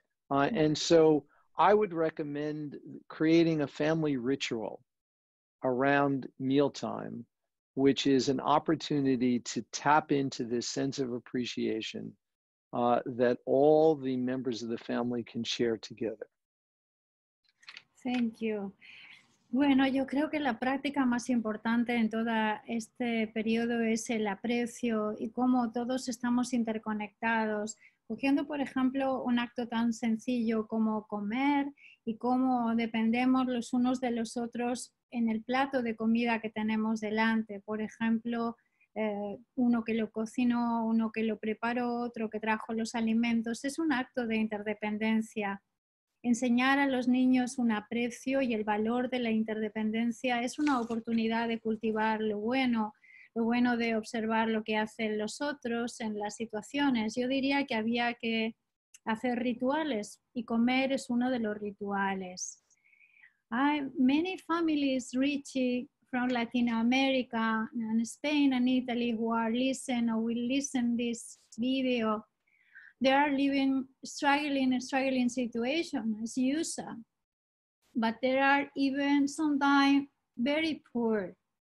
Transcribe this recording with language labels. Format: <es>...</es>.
<en>And so I would recommend creating a family ritual around mealtime, which is an opportunity to tap into this sense of appreciation that all the members of the family can share together. Thank you.</en> <es>Bueno, yo creo que la práctica más importante en todo este periodo es el aprecio y cómo todos estamos interconectados. Cogiendo, por ejemplo, un acto tan sencillo como comer y cómo dependemos los unos de los otros en el plato de comida que tenemos delante. Por ejemplo, uno que lo cocinó, uno que lo preparó, otro que trajo los alimentos. Es un acto de interdependencia. Enseñar a los niños un aprecio y el valor de la interdependencia es una oportunidad de cultivar lo bueno de observar lo que hacen los otros en las situaciones. Yo diría que había que hacer rituales y comer es uno de los rituales.</es> <en>Many families, Richie, from Latin America and Spain and Italy who are listening or will listen this video, they are living struggling situation as you said, but there are even sometimes very poor.</en>